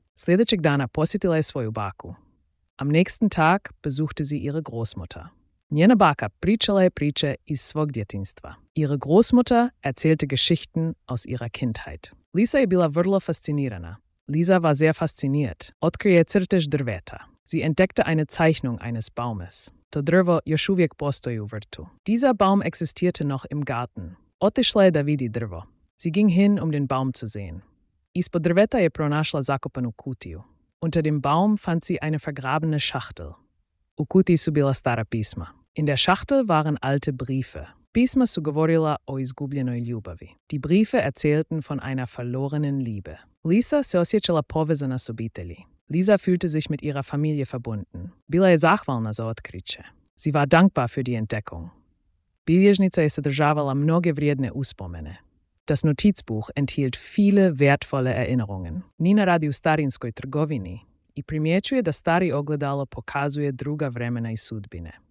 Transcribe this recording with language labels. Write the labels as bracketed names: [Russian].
[Croatian] Sljedećeg dana posjetila je svoju baku. [German] Am nächsten Tag besuchte sie ihre Großmutter. [Croatian] Njena baka pričala je priče iz svog djetinjstva. [German] Ihre Großmutter erzählte Geschichten aus ihrer Kindheit. [Croatian] Lisa je bila vrlo fascinirana. [German] Lisa war sehr fasziniert. [Croatian] Otkrije crtež drveta. [German] Sie entdeckte eine Zeichnung eines Baumes. [Croatian] To drvo još uvijek postoji u vrtu. [German] Dieser Baum existierte noch im Garten. [Croatian] Otišla je da vidi drvo. [German] Sie ging hin, um den Baum zu sehen. [Croatian] Ispod drveta je pronašla zakopanu kutiju. [German] Unter dem Baum fand sie eine vergrabene Schachtel. [Croatian] U kutiji su bila stara pisma. [German] In der Schachtel waren alte Briefe. [Croatian] Pisma su govorila o izgubljenoj ljubavi. [German] Die Briefe erzählten von einer verlorenen Liebe. [Croatian] Lisa se osjećala povezana s obitelji. [German] Lisa fühlte sich mit ihrer Familie verbunden. [Croatian] Bila je zahvalna za otkriće. [German] Sie war dankbar für die Entdeckung. [Croatian] Bilježnica je sadržavala mnoge vrijedne uspomene. [German] Das Notizbuch enthielt viele wertvolle Erinnerungen. [Croatian] Nina radi u starinskoj trgovini i primjećuje da stari ogledalo pokazuje druga vremena i sudbine.